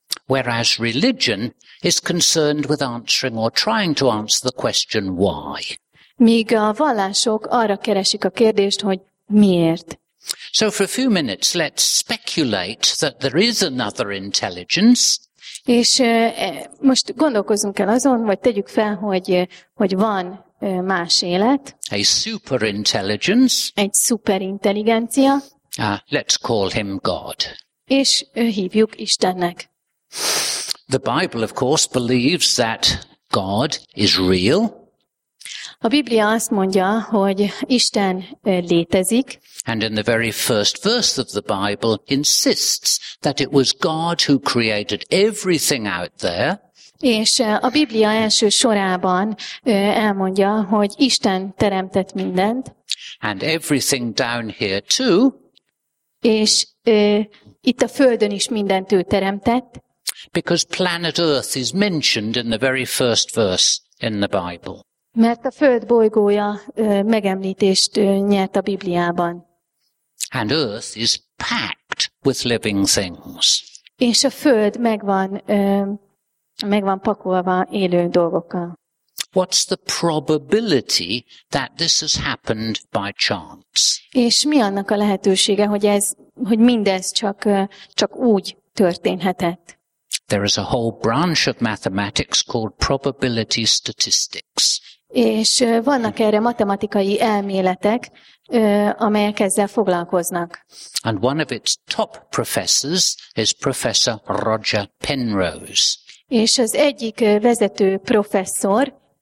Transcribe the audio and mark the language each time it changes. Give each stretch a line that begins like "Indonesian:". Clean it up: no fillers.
English: Whereas religion is concerned with answering or trying to answer the question why.
Hungarian: Míg a vallások arra keresik a kérdést, hogy miért.
English: So for a few minutes let's speculate that there is another intelligence.
Hungarian: És most gondolkozunk el azon, vagy tegyük fel, hogy van más élet.
English: A super intelligence.
Hungarian: Egy szuperintelligencia.
English: Let's call him God.
Hungarian: És hívjuk Istennek.
English: The Bible, of course, believes that God is real.
Hungarian: A Biblia azt mondja, hogy Isten létezik.
English: And in the very first verse of the Bible insists that it was God who created everything out there.
Hungarian: És a Biblia első sorában elmondja, hogy Isten teremtett mindent.
English: And everything down here too.
Hungarian: És itt a Földön is mindent ő teremtett.
English: Because planet Earth is mentioned in the very first verse in the Bible.
Hungarian: Mert a Föld bolygója megemlítést nyert a Bibliában.
English: And Earth is packed with living things.
Hungarian: És a Föld megvan pakolva élő dolgokkal.
English: What's the probability that this has happened by chance?
Hungarian: És mi annak a lehetősége, hogy mindez csak úgy történhetett?
English: There is a whole branch of mathematics called probability statistics.
Hungarian: És vannak erre matematikai elméletek, amelyek ezzel foglalkoznak.
English: And one of its top professors is Professor Roger Penrose.
Hungarian: És az egyik vezető professzor.